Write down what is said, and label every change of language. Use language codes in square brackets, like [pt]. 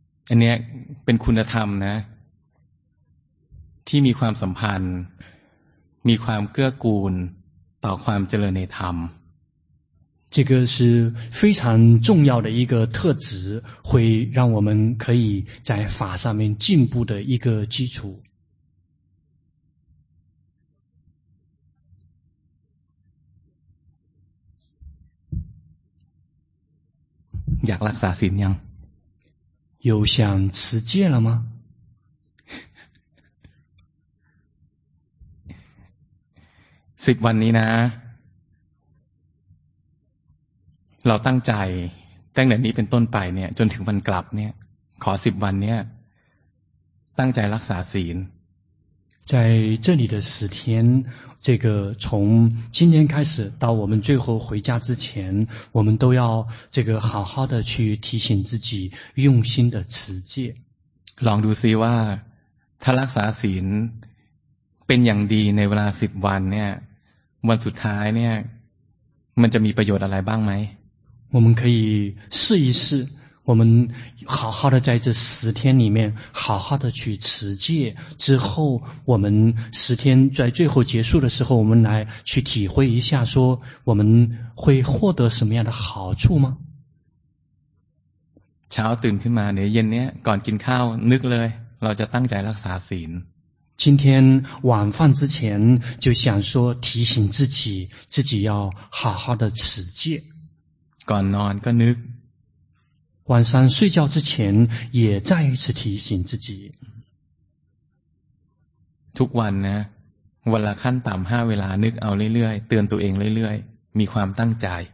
[th] อันนี้เป็นคุณธรรมนะที่มีความสัมพันธ์มีความเกื้อกูลต่อความเจริญในธรรม [zh] 这个是非常重要的一个特质，会让我们可以在法上面进步的一个基础。 [th] อยากรักษาศีลยัง [zh] 有想持戒了吗？ [th] สิบวันนี้นะเราตั้งใจตั้งแต่นี้เป็นต้นไปเนี่ยจนถึงวันกลับเนี่ยขอสิบวันเนี่ยตั้งใจรักษาศีล [zh] 在这里的十天这个从今天开始到我们最后回家之前我们都要这个好好的去提醒自己用心的持戒 [th] ลองดูซิว่าถ้ารักษาศีลเป็นอย่างดีในเวลาสิบวันเนี่ยวันสุดท้ายเนี่ยมันจะมีประโยชน์อะไรบ้างไหม [zh] 我们可以试一试我们好好的在这十天里面好好的去持戒之后我们十天在最后结束的时候我们来去体会一下说我们会获得什么样的好处吗 [th] เช้าตื่นขึ้นมาเนี่ยเย็นเนี้ยก่อนกินข้าวนึกเลยเราจะตั้งใจรักษาศีล [zh] 今天晚饭之前就想说提醒自己自己要好好的持戒 [th] ก่อนนอนก็นึก [zh] 晚上睡觉之前也再一次提醒自己 [th] ทุกวันนะวันละขั้นต่ำห้าเวลานึกเอาเรื่อยๆเตือนตัวเองเรื่อยๆมีความตั้งใจ